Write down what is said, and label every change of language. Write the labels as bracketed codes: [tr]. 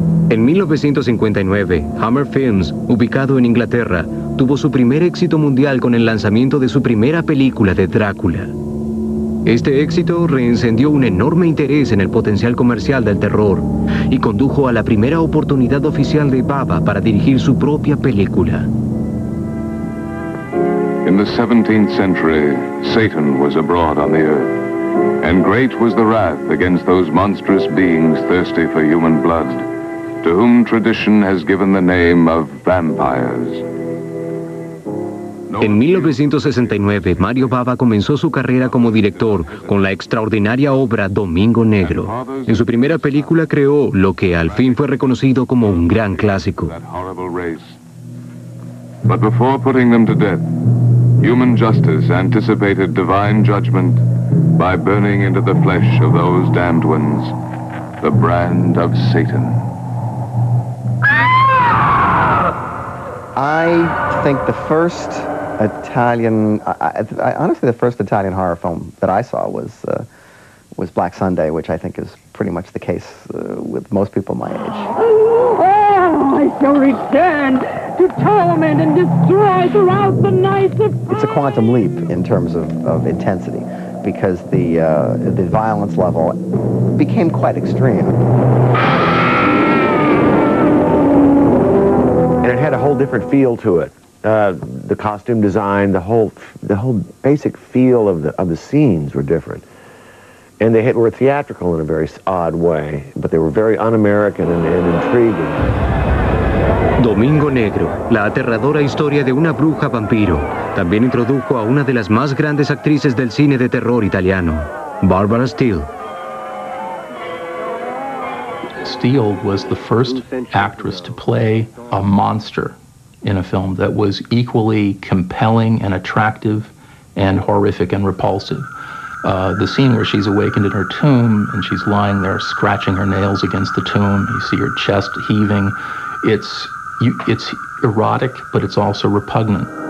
[es] En 1959, Hammer Films, ubicado en Inglaterra, tuvo su primer éxito mundial con el lanzamiento de su primera película de Drácula. Este éxito reencendió un enorme interés en el potencial comercial del terror y condujo a la primera oportunidad oficial de Bava para dirigir su propia película. [en] In the 17th century, Satan was abroad on the earth, and great was the wrath against those monstrous beings thirsty for human blood, to whom tradition has given the name of vampires. [es] En 1969, Mario Bava comenzó su carrera como director con la extraordinaria obra Domingo Negro. En su primera película creó lo que al fin fue reconocido como un gran clásico. [en] But before putting them to death, human justice anticipated divine judgment by burning into the flesh of those damned ones the brand of Satan. I think the first Italian, honestly, the first Italian horror film that I saw was Black Sunday, which I think is pretty much the case with most people my age. Oh, I shall return to torment and destroy throughout the night. It's a quantum leap in terms of intensity, because the violence level became quite extreme. And it had a whole different feel to it. The costume design, the whole basic feel of the scenes were different. And they were theatrical in a very odd way, but they were very un-American and intriguing. [es] Domingo Negro, la aterradora historia de una bruja vampiro, también introdujo a una de las más grandes actrices del cine de terror italiano, Barbara Steele. [en] Steele was the first actress to play a monster in a film that was equally compelling and attractive and horrific and repulsive. The scene where she's awakened in her tomb and she's lying there scratching her nails against the tomb, you see her chest heaving, it's erotic, but it's also repugnant.